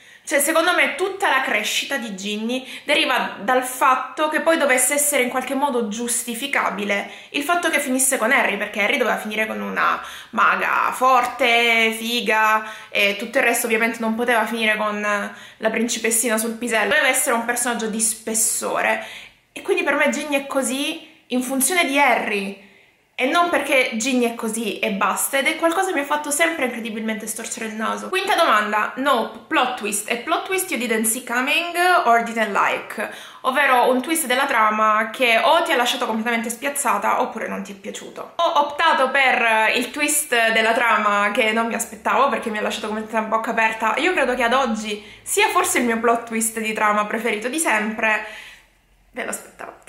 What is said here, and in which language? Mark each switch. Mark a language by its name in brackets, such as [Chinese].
[Italian] Cioè, secondo me tutta la crescita di Ginny deriva dal fatto che poi dovesse essere in qualche modo giustificabile il fatto che finisse con Harry, perché Harry doveva finire con una maga forte, figa, e tutto il resto ovviamente non poteva finire con la principessina sul pisello. Doveva essere un personaggio di spessore. E quindi per me Ginny è così in funzione di Harry e non perché Ginny è così e basta, ed è qualcosa che mi ha fatto sempre incredibilmente storcere il naso. Quinta domanda: Nope, plot twist. [English] E plot twist you didn't see coming or didn't like? [Italian] Ovvero un twist della trama che o ti ha lasciato completamente spiazzata oppure non ti è piaciuto. Ho optato per il twist della trama che non mi aspettavo perché mi ha lasciato completamente a bocca aperta. Io credo che ad oggi sia forse il mio plot twist di trama preferito di sempre. Ve l'aspettavo.